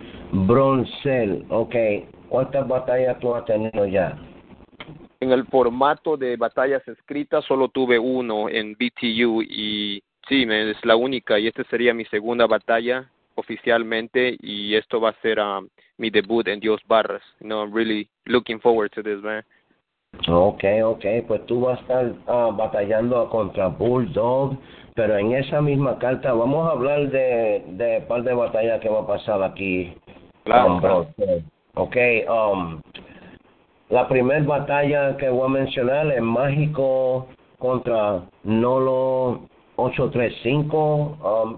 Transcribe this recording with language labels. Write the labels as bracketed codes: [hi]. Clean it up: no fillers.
[es] Bronce, ok. ¿Cuántas batallas tú has tenido ya? En el formato de batallas escritas solo tuve uno en BTU y sí, es la única y esta sería mi segunda batalla oficialmente y esto va a ser mi debut en Dios Barras. [en] You know, I'm really looking forward to this, man. [es] Okay, pues tú vas a estar batallando contra Bulldog, pero en esa misma carta vamos a hablar de un par de batallas que va a pasar aquí. Claro. Okay, la primera batalla que voy a mencionar es Mágico contra Nolo 835.